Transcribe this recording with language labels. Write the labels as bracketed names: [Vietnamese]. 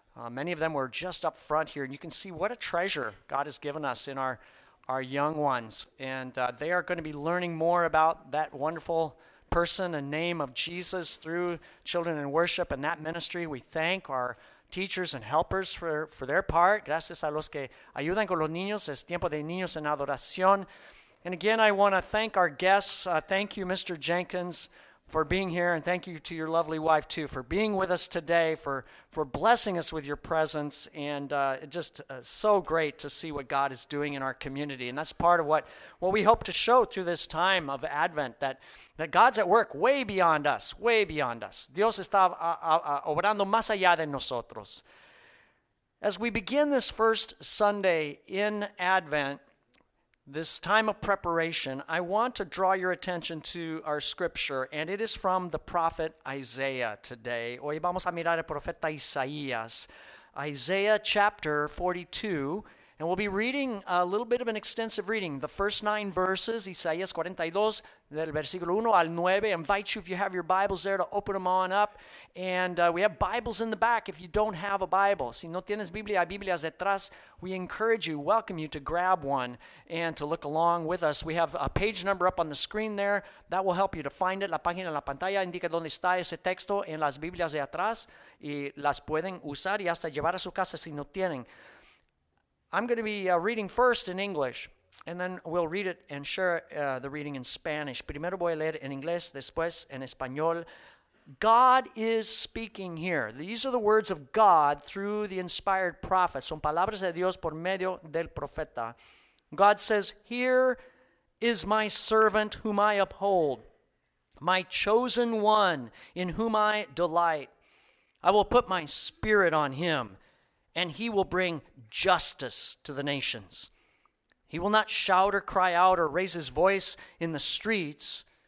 [English] Many of them were just up front here, and you can see what a treasure God has given us in our young ones. And they are going to be learning more about that wonderful person and name of Jesus through children in worship and that ministry. We thank our teachers and helpers for their part. [Spanish] Gracias a los que ayudan con los niños. Es tiempo de niños en adoración. [English] And again, I want to thank our guests. Thank you, Mr. Jenkins, for being here. And thank you to your lovely wife, too, for being with us today, for blessing us with your presence. And just so great to see what God is doing in our community. And that's part of what we hope to show through this time of Advent, that God's at work way beyond us, way beyond us. [Spanish] Dios está obrando más allá de nosotros. [English] As we begin this first Sunday in Advent, this time of preparation, I want to draw your attention to our scripture, and it is from the prophet Isaiah today. [Spanish] Hoy vamos a mirar al profeta Isaías, [English] Isaiah chapter 42, and we'll be reading a little bit of an extensive reading. The first 9 verses, [Spanish] Isaías 42, del versículo 1 al 9. [English] I invite you, if you have your Bibles there, to open them on up. And we have Bibles in the back if you don't have a Bible. [Spanish] Si no tienes Biblia, hay Biblias detrás. [English] We encourage you, welcome you to grab one and to look along with us. We have a page number up on the screen there. That will help you to find it. [Spanish] La página en la pantalla indica dónde está ese texto en las Biblias de atrás. Y las pueden usar y hasta llevar a su casa si no tienen. [English] I'm going to be reading first in English, and then we'll read it and share the reading in Spanish. [Spanish] Primero voy a leer en inglés, después en español. [English] God is speaking here. These are the words of God through the inspired prophet. [Spanish] Son palabras de Dios por medio del profeta. [English] God says, "Here is my servant whom I uphold, my chosen one in whom I delight. I will put my spirit on him, and he will bring justice to the nations. He will not shout or cry out or raise his voice in the streets.